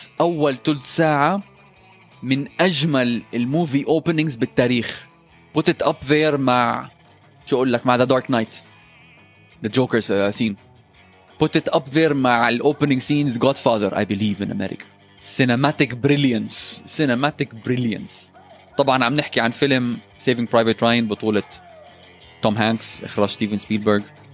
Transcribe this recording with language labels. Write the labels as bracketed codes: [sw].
[ar] أول تلت ساعة من أجمل الموفي openings بالتاريخ. [en] Put it up there [ar] مع شو أقول لك مع [en] The Dark Knight The Joker's scene. Put it up there مع the opening scenes Godfather I believe in America. Cinematic brilliance. [ar] طبعا عم نحكي عن فيلم Saving Private Ryan بطولة توم هانكس إخراج ستيفن سبيلبرغ.